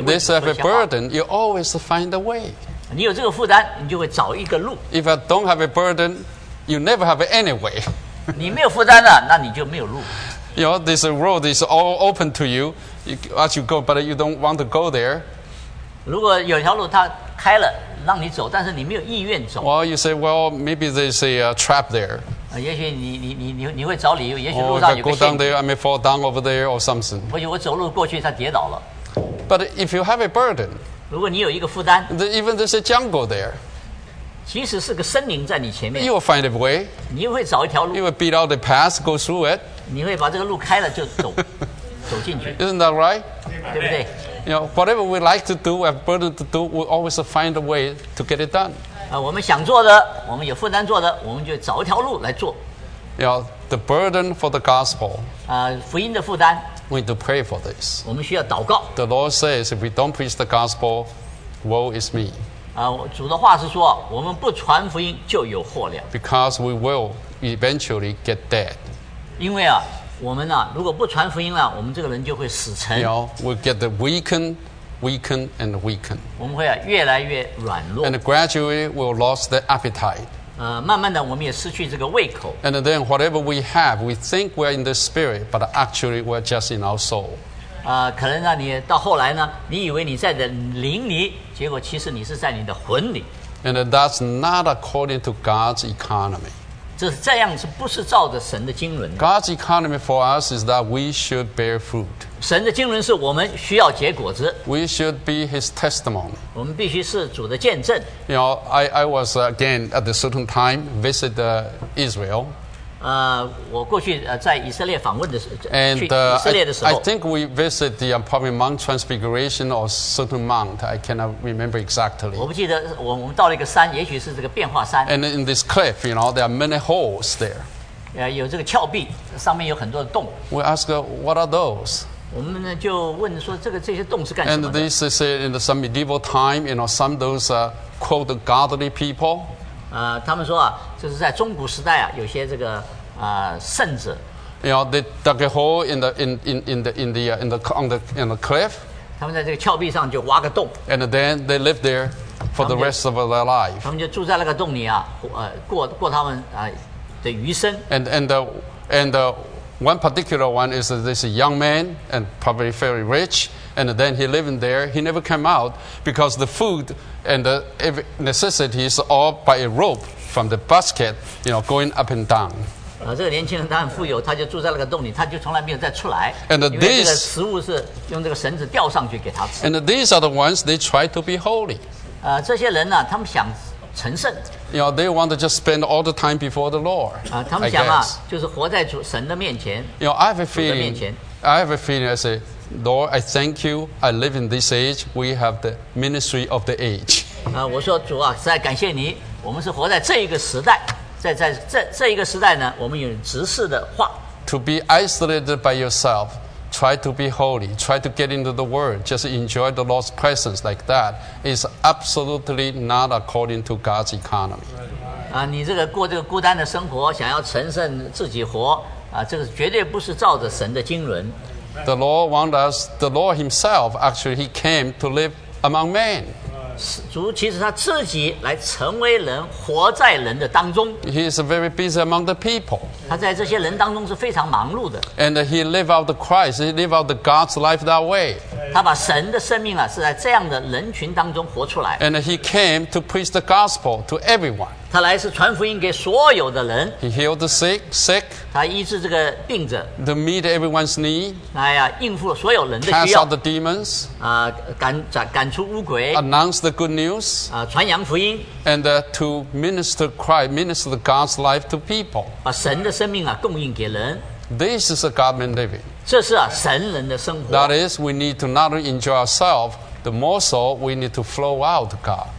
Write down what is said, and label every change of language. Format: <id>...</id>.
<en>This have a burden, you always find a way.</en> <zh>你有这个负担，你就会找一个路。</zh> <en>If I don't have a burden, you never have any way.</en> <zh>你没有负担了，那你就没有路。</zh> <en>You know, this road is all open to you. As you go, but you don't want to go there.</en> <zh>如果有条路它开了，让你走，但是你没有意愿走。</zh> <en>Well, you say, well, maybe there's a trap there.</en> <zh>也许你会找理由，也许路上有个陷阱。</zh> <en>Oh, I may fall down over there or something.</en> <zh>或许我走路过去，他跌倒了。</zh> <en>But if you have a burden,</en> <zh>如果你有一个负担</zh> <en>even there's a jungle there,</en> <zh>即使是个森林在你前面</zh> <en>you will find a way.</en> <zh>你会找一条路</zh> <en>you will beat out the path, go through it.</en> <zh>你会把这个路开了就走走进去</zh> <en>Isn't that right?</en> <zh>对不对？</zh> <en>You know, whatever we like to do, we have burden to do, we always find a way to get it done.</en> <zh>我们想做的，我们有负担做的，我们就找一条路来做。</zh> <en>You know, the burden for the gospel.</en> <zh>福音的负担。</zh> <en>We need to pray for this.</en> <zh>我们需要祷告。</zh> <en>The Lord says, if we don't preach the gospel, woe is me.</en> <zh>主的话是说，我们不传福音就有祸了。</zh> <en>Because we will eventually get dead.</en> <zh>因为啊。我们啊，如果不传福音了，我们这个人就会死沉。</zh> <en>You know, we get the weakened, weakened and weakened.</en> <zh>我们会啊越来越软弱。</zh> <en>And gradually we'll lose the appetite.</en> <zh>慢慢的我们也失去这个胃口。</zh> <en>And then whatever we have, we think we're in the spirit, but actually we're just in our soul.</en> <zh>可能让你到后来呢，你以为你在的灵里，结果其实你是在你的魂里。</zh> <en>And that's not according to God's economy.</en> <zh>这是这样是不是照着神的经纶</zh> <en>God's economy for us is that we should bear fruit.</en> <zh>神的经纶是我们需要结果子</zh> <en>We should be his testimony.</en> <zh>我们必须是主的见证</zh> <en>You know, I was again at a certain time visit Israel.</en> <zh>我过去在以色列访问的时候</zh> <en>And,</en> <zh>去以色列的时候</zh> <en>I think we visit the probably Mount Transfiguration or certain mount. I cannot remember exactly.</en> <zh>我不记得我们到了一个山，也许是这个变化山。</zh> <en>And in this cliff, you know, there are many holes there.</en> <zh>有这个峭壁，上面有很多的洞。</zh> <en>We ask, what are those?</en> <zh>我们呢就问说这些洞是干什么的</zh> <en>？And this is in some medieval time, you know, some of those quote godly people.</en> <zh>他们说啊，这是在中古时代啊，有些这个圣者。</zh> <en>You know, they dug a hole in the cliff.</en> <zh>他们在这个峭壁上就挖个洞。</zh> <en>And then they live there for the rest of their life.</en> <zh>他们就住在那个洞里啊，过他们的余生。</zh> <en>And one particular one is this young man and probably very rich, and then he lived in there. He never came out because the food. And the necessities all by a rope from the basket, you know, going up and down.</en> <zh>这个年轻人他很富有，他就住在那个洞里，他就从来没有再出来。</zh> <en>And these</en> <zh>因为这个食物是用这个绳子吊上去给他吃。</zh> <en>And these are the ones they try to be holy.</en> <zh>这些人呢、啊，他们想成圣。</zh> <en>You know, they want to just spend all the time before the Lord.</en> <zh>他们想啊，就是活在主神的面前。</zh> <en>You know, I have a feeling. I have a feeling. I say. Lord, I thank you. I live in this age. We have the ministry of the age.</en> <zh>我说主啊，实在感谢你，我们是活在这一个时代，在这一个时代呢，我们有执事的话。</zh> <en>To be isolated by yourself, try to be holy, try to get into the word, just enjoy the Lord's presence like that is absolutely not according to God's economy.</en> <zh>你这个过这个孤单的生活，想要成圣自己活这个绝对不是照着神的经纶。</zh> <en>The Lord wants us, the Lord Himself, actually, He came to live among men.</en> <zh>主其实他自己来成为人，活在人的当中。</zh> <en>He is very busy among the people.</en> <zh>他在这些人当中是非常忙碌的。</zh> <en>And he live out the Christ, he live out the God's life that way.</en> <zh>他把神的生命啊，是在这样的人群当中活出来。</zh> <en>And he came to preach the gospel to everyone.</en> <zh>他来是传福音给所有的人。</zh> <en>He healed the sick.</en> <zh>他医治这个病者。</zh> <en>To meet everyone's need.</en> <zh>来啊，应付了所有人的需要。</zh> <en>Cast out the demons.</en> <zh>啊，赶出污鬼。</zh> <en>Announce the good news.</en> <zh>啊，传扬福音。</zh> <en>And to minister Christ, minister God's life to people.</en> <zh>把神的生命啊，供应给人。</zh> <en>This is a God-man living.</en> <zh>这是啊，神人的生活。</zh> <en>That is, we need to not only enjoy ourselves, the more so we need to flow out God.</en>